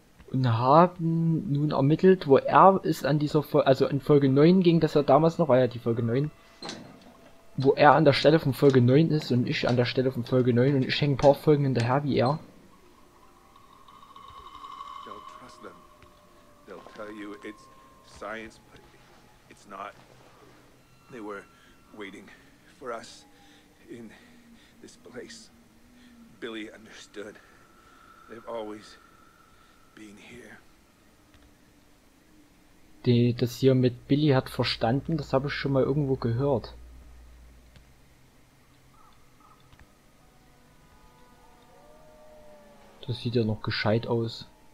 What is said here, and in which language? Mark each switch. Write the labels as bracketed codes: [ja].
[de] Und haben nun ermittelt, wo er ist an dieser Folge, also in Folge 9 ging das ja damals noch, war ja die Folge 9. Wo er an der Stelle von Folge 9 ist und ich an der Stelle von Folge 9 und ich hänge ein paar Folgen hinterher wie er. [en] Don't trust them. They'll tell you it's science, but it's not. They were waiting for us in this place. Billy understood. They've always been here. [de] Das hier mit Billy hat verstanden, das habe ich schon mal irgendwo gehört. Das sieht ja noch gescheit aus.